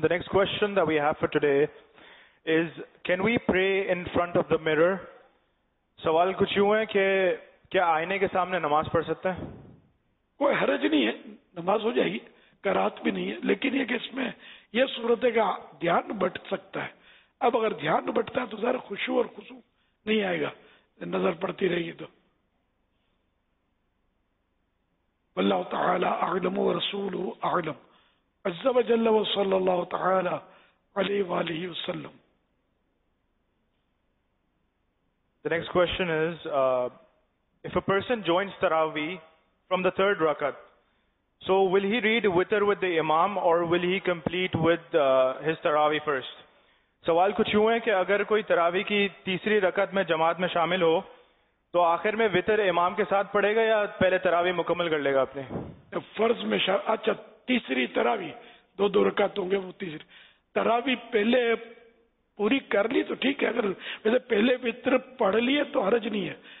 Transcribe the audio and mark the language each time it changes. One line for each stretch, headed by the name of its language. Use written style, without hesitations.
English: The next question that we have for today is, can we pray in front of the mirror?
Urdu: سوال کچھ یوں ہے کہ کیا آئینے کے سامنے نماز پڑھ سکتے ہیں؟ کوئی حرج نہیں ہے, نماز ہو جائے گی, قرات بھی نہیں ہے, لیکن یہ کہ اس میں یہ صورت ہے کہ دھیان بٹ سکتا ہے. اب اگر دھیان بٹتا ہے تو ذرا خشوع اور خضوع نہیں آئے گا, نظر پڑتی رہے گی. تو اللہ تعالی اعلم و رسول اعلم عز و جل و صلی اللہ تعالی علیہ وآلہ وسلم.
English: The next question is, if a person joins Taraweeh from the third rakat, so will he read witr with the imam or will he complete with his Taraweeh first?
Urdu: سوال کچھ یوں ہے کہ اگر کوئی تراوی کی تیسری رکعت میں جماعت میں شامل ہو تو آخر میں وتر امام کے ساتھ پڑھے گا یا پہلے تراوی مکمل کر لے گا اپنے فرض میں؟ اچھا تیسری تراوی, دو رکعت ہوں گے, وہ تیسری تراوی پہلے پوری کر لی تو ٹھیک ہے, اگر ویسے پہلے وتر پڑھ لیے تو حرج نہیں ہے.